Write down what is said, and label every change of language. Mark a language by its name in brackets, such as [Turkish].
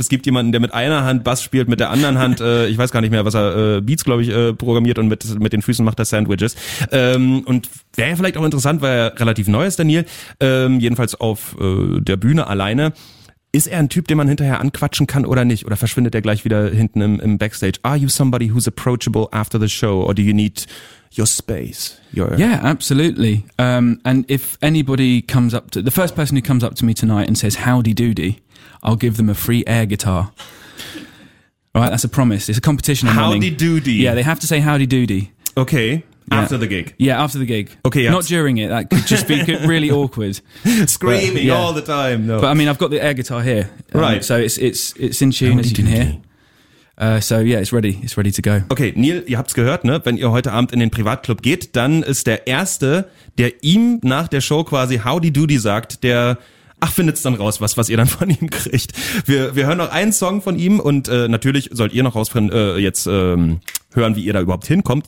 [German] Es gibt jemanden, der mit einer Hand Bass spielt, mit der anderen Hand, ich weiß gar nicht mehr, was er, Beats, glaube ich, programmiert, und mit den Füßen macht er Sandwiches. Und wäre vielleicht auch interessant, weil er relativ neu ist, Daniel, jedenfalls auf der Bühne alleine. Ist er ein Typ, den man hinterher anquatschen kann oder nicht? Oder verschwindet er gleich wieder hinten im Backstage? [English] Are you somebody who's approachable after the show, or do you need your space? Yeah, absolutely. And if anybody comes up to, the first person who comes up to me tonight and says howdy doody, I'll give them a free air guitar. Right, that's a promise. It's a competition. Howdy running. Doody. Yeah, they have to say howdy doody. Okay. Yeah. After the gig. Yeah, after the gig. Okay, yeah. Not during it. That could just be really awkward. Screaming but, yeah. All the time, though. But I mean, I've got the air guitar here. Right. So it's in tune, as you can hear. So yeah, it's ready. It's ready to go. [German] Okay, Neil, ihr habt's gehört, ne? Wenn ihr heute Abend in den Privatclub geht, dann ist der Erste, der ihm nach der Show quasi Howdy Doody sagt, der... Ach, findet's dann raus, was ihr dann von ihm kriegt. Wir hören noch einen Song von ihm und natürlich sollt ihr noch rausfinden, hören, wie ihr da überhaupt hinkommt.